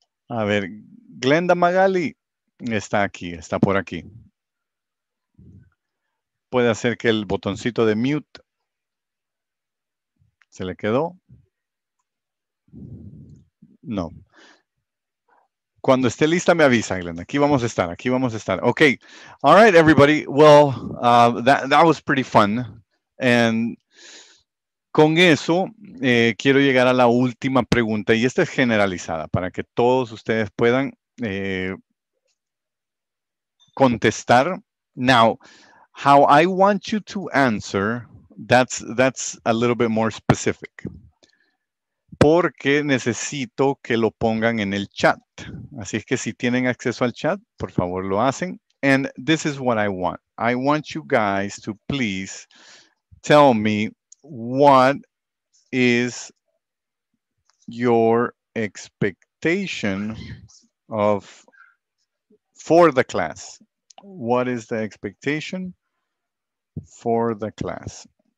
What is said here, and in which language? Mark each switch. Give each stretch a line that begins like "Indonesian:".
Spanish: A ver, Glenda Magali está aquí, está por aquí. Puede hacer que el botoncito de mute se le quedó. No. Cuando esté lista, me avisa, Glenda. Aquí vamos a estar, aquí vamos a estar.
English: Okay. All right, everybody. Well, that was pretty fun. And
Spanish: Con eso, quiero llegar a la última pregunta, y esta es generalizada para que todos ustedes puedan contestar.
English: Now, how I want you to answer, that's a little bit more specific.
Spanish: Porque necesito que lo pongan en el chat. Así es que si tienen acceso al chat, por favor lo hacen.
English: And this is what I want. I want you guys to please tell me what is your expectation of for the class. What is the expectation for the class?